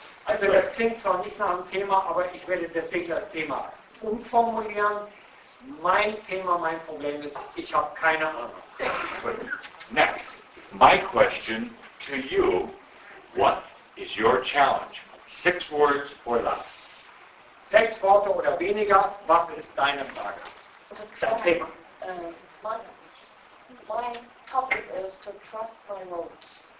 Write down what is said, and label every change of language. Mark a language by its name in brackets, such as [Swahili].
[German] Also das klingt zwar nicht nach einem Thema, aber ich werde deswegen das Thema umformulieren. Mein Thema, mein Problem ist, ich habe keine Ahnung. [English] But next, my question to you, what is your challenge? Six words or less. [German] Sechs Worte oder weniger, was ist deine Frage? Dein Thema. [English] My topic is to trust my notes.